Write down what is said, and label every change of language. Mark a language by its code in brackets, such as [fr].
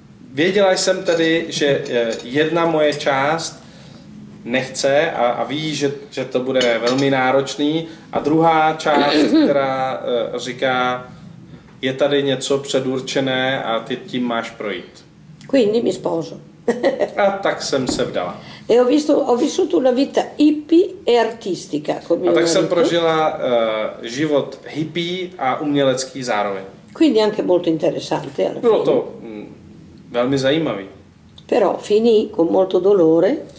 [cs] Věděla jsem tedy, že jedna moje část nechce a ví, že to bude velmi náročný, a druhá část, která říká, je tady něco předurčené a ty tím máš projít. [it] Quindi mi sposo. [cs] A tak jsem se vdala. [it] E ho vissuto una vita hippie e artistica. Come [cs] a tak jsem prožila život hippie a umělecký zároveň. [it] Quindi anche molto interessante. Alla [cs] bylo [it] fine. [cs] To velmi zajímavý. [it] Però finì con molto dolore.